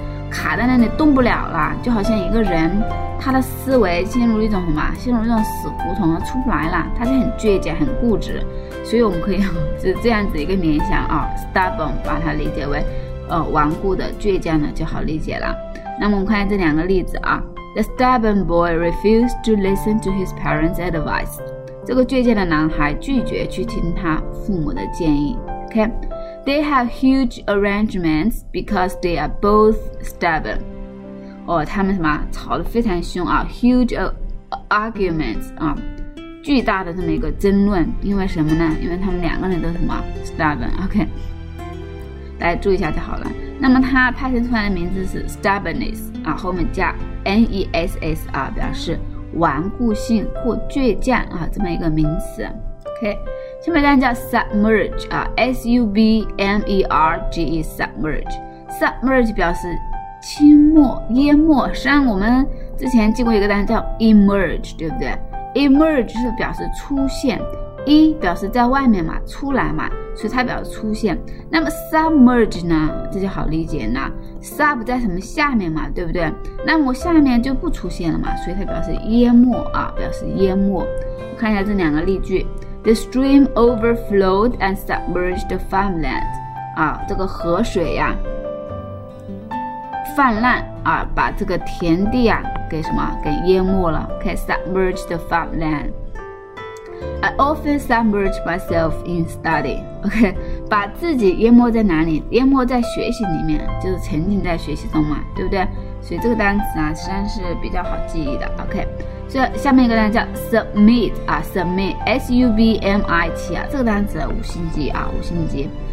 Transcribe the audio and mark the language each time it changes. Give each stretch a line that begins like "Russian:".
Chinese: 卡在那里动不了了，就好像一个人他的思维陷入一种什么？陷入一种死胡同，出不来了，他就很倔强，很固执。所以我们可以是这样子一个联想啊 ，stubborn 把它理解为顽固的、倔强的就好理解了。那么我们看这两个例子啊。
English: The stubborn boy refused to listen to his parents' advice.
Chinese: 这个倔强的男孩拒绝去听他父母的建议。
English: Okay, they have huge arrangements because they are both stubborn.
Chinese: 他们什么吵得非常凶啊 ？
English: Huge arguments
Chinese: 啊，巨大的这么一个争论。因为什么呢？因为他们两个人都什么 stubborn. Okay, 大家注意一下就好了。那么他派生出来的名字是 stubbornness 啊，后面加。 N-E-S-S 啊，表示顽固性或倔强啊，这么一个名词。 OK， 下面单词叫 submerge 啊 ，S-U-B-M-E-R-G-E submerge。 submerge 表示浸没、淹没。实际上我们之前记过一个单词叫 emerge， 对不对 ？emerge 是表示出现 ，e 表示在外面嘛，出来嘛，所以它表示出现。那么 submerge 呢，这就好理解呢。Sub 在什么下面嘛，对不对？那我下面就不出现了嘛，所以它表示淹没啊，表示淹没。我看一下这两个例句
English: ：The stream overflowed and submerged the farmland。
Chinese: 啊，这个河水呀、泛滥啊，把这个田地啊给什么给淹没了 ？
English: Okay, submerged the farmland。 I often submerge myself in study.
Chinese: OK， 把自己淹没在哪里？淹没在学习里面，就是沉浸在学习中嘛，对不对？所以这个单词啊，实际上是比较好记忆的。OK，这下面一个单词叫 submit 啊 ，submit s u b m i t 啊，这个单词五星级啊，五星级。